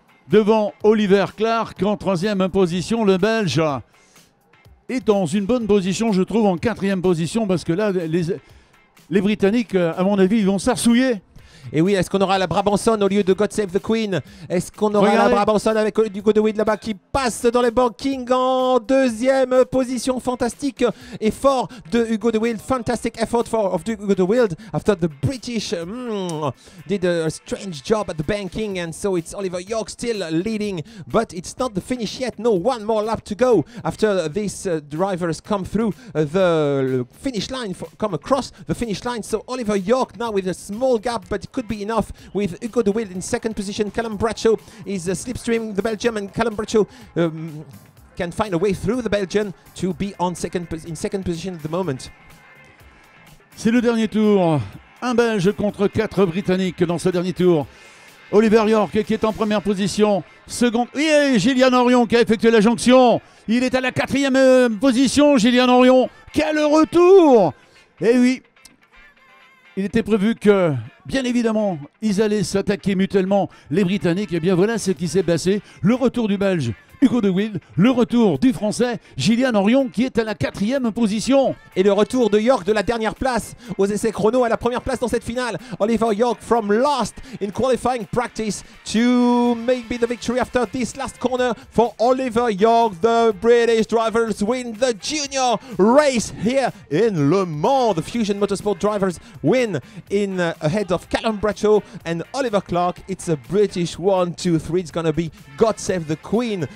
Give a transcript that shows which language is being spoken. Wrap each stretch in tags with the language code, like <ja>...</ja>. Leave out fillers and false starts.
<fr>Devant Oliver Clark en troisième position. Le Belge est dans une bonne position, je trouve, en quatrième position. Parce que là, les Britanniques, à mon avis, ils vont s'arsouiller. Et oui, est-ce qu'on aura la Brabanson au lieu de God Save the Queen? Est-ce qu'on aura la Brabanson avec Hugo de Wild là-bas qui passe dans les banking en deuxième position? Fantastique effort de Hugo de Wild.</fr> <en>Fantastic effort of Hugo de Wild after the British did a strange job at the banking. And so it's Oliver York still leading. But it's not the finish yet. No, one more lap to go after these drivers come through the finish line, come across the finish line. So Oliver York now with a small gap, but could be enough with Hugo de Wild in second position. Callum Bradshaw is slipstreaming the Belgian, and Callum Bradshaw can find a way through the Belgian to be on second in second position at the moment.</en> <fr>C'est le dernier tour. Un Belge contre quatre Britanniques dans ce dernier tour. Oliver York qui est en première position. Second, oui, Gillian Henrion qui a effectué la jonction. Il est à la quatrième position, Gillian Henrion. Quel retour! Eh oui, il était prévu que, bien évidemment, ils allaient s'attaquer mutuellement, les Britanniques. Et bien voilà ce qui s'est passé. Le retour du Belge, Hugo de Wild. Le retour du Français, Gillian Henrion, qui est à la quatrième position. Et le retour de York de la dernière place aux essais chrono à la première place dans cette finale.</fr> <en>Oliver York from last in qualifying practice to maybe the victory after this last corner for Oliver York. The British drivers win the junior race here in Le Mans. The Fusion Motorsport drivers win in ahead of Callum Bradshaw and Oliver Clark. It's a British 1-2-3. It's gonna be God Save the Queen</en>